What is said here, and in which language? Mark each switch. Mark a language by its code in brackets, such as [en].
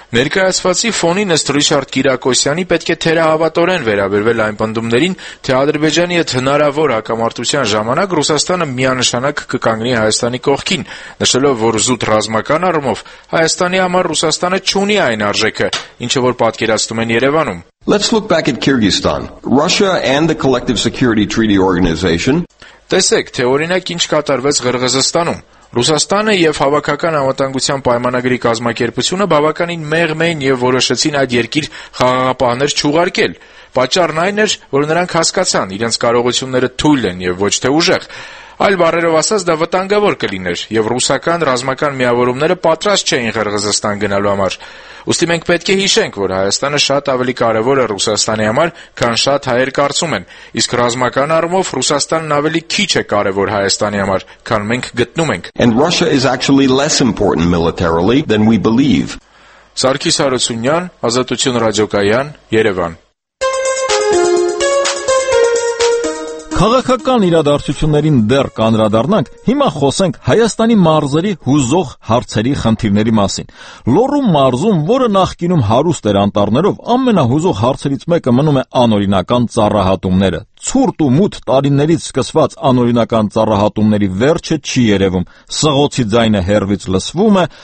[hy] Ներկայացվածի ֆոնին ըստ Ռիչարդ Կիրակոսյանի պետք է թերահավատորեն վերաբերվել այն պնդումներին, թե Ադրբեջանի հետ հնարավոր հակամարտության ժամանակ Ռուսաստանը միանշանակ կկանգնի Հայաստանի կողքին, նշելով, որ զուտ ռազմական առումով Հայաստանի համար Ռուսաստանը չունի այն արժեքը, ինչը որ պատկերացնում են Երևանում։ [en] Let's look back at Kyrgyzstan. Russia and the Collective Security Treaty Organization. [hy] Տեսեք, թե օրինակ ինչ կատարվեց Ղրղղզստանում. Ռուսաստանը եւ Հավաքական Անվտանգության Պայմանագրի կազմակերպությունը բավականին մեղմեն եւ որոշեցին այդ երկիր խաղաղապահներ չուղարկել։ Պատճառն այն էր, որ նրանք հասկացան, իրենց կարողությունները թույլ են եւ ոչ թե ուժեղ։ Այլ բարերով ասած, դա վտանգավոր կլիներ եւ ռուսական ռազմական միավորումները պատրաստ չէին Ղրղղզստան գնալու համար։ Ոստի մենք պետք է հիշենք, որ Հայաստանը շատ ավելի կարևոր է Ռուսաստանի համար, քան շատ հայեր կարծում են, իսկ ռազմական առումով Ռուսաստանն ավելի քիչ է կարևոր Հայաստանի համար, քան մենք գտնում ենք. [en] And Russia is actually less important militarily than we believe. [hy] Սարգիս Հարությունյան, Ազատություն ռադիոկայան, Երևան. Քաղաքական իրադարձություններին դեռ կանրադառնանք, հիմա խոսենք Հայաստանի մարզերի հուզող հարցերի խնդիրների մասին։ Լոռու մարզում, որը նախկինում հարուստ էր անտառներով, ամենահուզող հարցերից մեկը մնում է անօրինական ծառահատումները։ Ցուրտ ու մութ տարիներից սկսված անօրինական ծառահատումների վերջը չի երևում։ Սղոցի ձայնը հեռվից լսվում է,